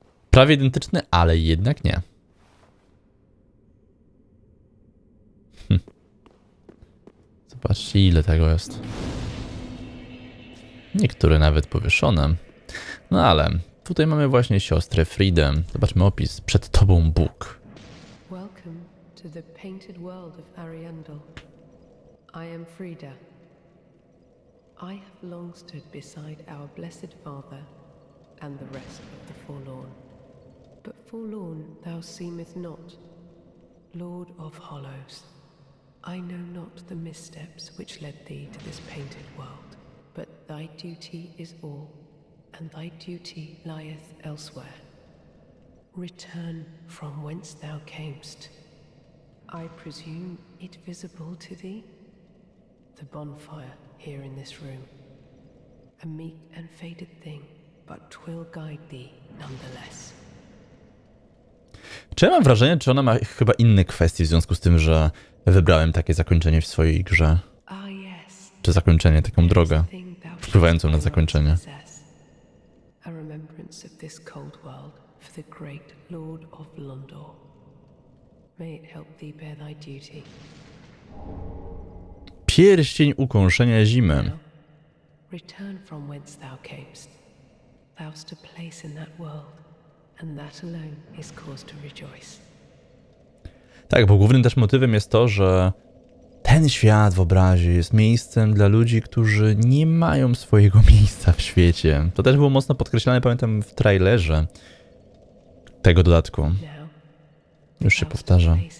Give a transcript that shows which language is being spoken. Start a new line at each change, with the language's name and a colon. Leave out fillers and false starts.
Polish: Prawie identyczne, ale jednak nie. Zobaczcie, ile tego jest. Niektóre nawet powieszone. No ale tutaj mamy właśnie siostrę Freedom. Zobaczmy opis. Przed tobą Bóg.
English: Welcome to the painted world of Ariandel. I am Frida. I have long stood beside our blessed father and the rest of the forlorn. But forlorn thou seemeth not, Lord of Hollows. I know not the missteps which led thee to this painted world, but thy duty is all, and thy duty lieth elsewhere. Return from whence thou camest. I presume it visible to thee? The bonfire here in this room. A meek and faded thing, but 'twill guide thee nonetheless.
Polish: Czy ja mam wrażenie, czy ona ma chyba inne kwestie w związku z tym, że wybrałem takie zakończenie w swojej grze? Czy zakończenie, taką drogę, wpływającą na zakończenie?
English: A remembrance of this cold world for the great Lord of Londor. May it help thee bear thy duty.
Polish: Pierścień ukąszenia zimy.
English: Return from whence thou camest. Thou hast a place in that world. And that alone is cause to rejoice.
Polish: Tak, bo głównym też motywem jest to, że ten świat w obrazie jest miejscem dla ludzi, którzy nie mają swojego miejsca w świecie. To też było mocno podkreślane, pamiętam, w trailerze tego dodatku. Już się powtarza.